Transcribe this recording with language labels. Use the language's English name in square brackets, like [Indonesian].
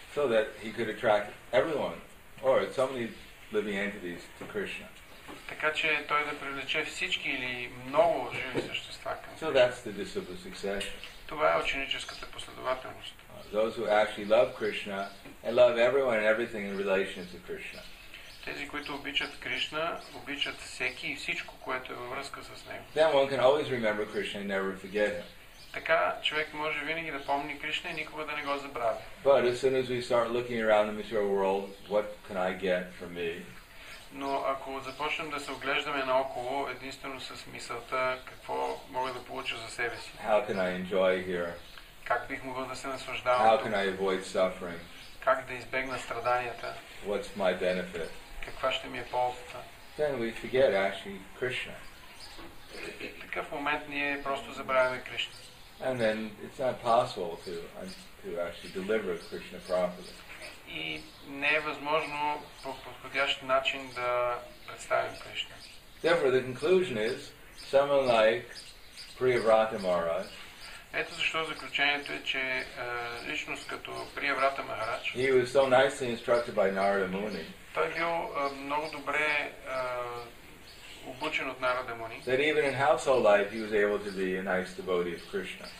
[English] So that he could attract everyone or so many living entities to Krishna. [Bulgarian] Така че той да привлече всички или много живи същества към. [English] So that's the disciplic succession. [Bulgarian] Това е ученическата последователност. [English] Those who actually love Krishna and love everyone and everything in relation to Krishna. [Bulgarian] Тези, които обичат Кришна, обичат всеки и всичко, което е във връзка с него. [English] Then one can always remember Krishna and never forget him. [Bulgarian] Така човек може винаги да помни Кришна и никога да не го забравя. [English] But as soon as we start looking around the material world, what can I get from me? [Bulgarian] Но ако започнем да се оглеждаме наоколо, единствено с мисълта какво мога да получа за себе си. [English] How can I enjoy here? [Bulgarian] Как бих могъл да се наслаждавам? [English] How can I avoid suffering? [Bulgarian] Как да избегна страданията? [English] What's my benefit? [Bulgarian] Каква ще ми е ползата? [English] Then we forget actually Krishna. [Bulgarian] Такъв момент ние просто забравяме Кришна. [English] And then it's not possible to actually deliver Krishna properly. [Bulgarian] И не е възможно по подходящ начин да представим Кришна. [English] Therefore, the conclusion is someone like Priyavrata Maharaj. [Bulgarian] Ето защо заключението е, че личност като Priyavrata Maharaj. [English] He was so nicely instructed by Narada Muni. [Bulgarian] Той бил много добре обучен от Narada Muni. [English] That even in household life, he was able to be a nice devotee of Krishna.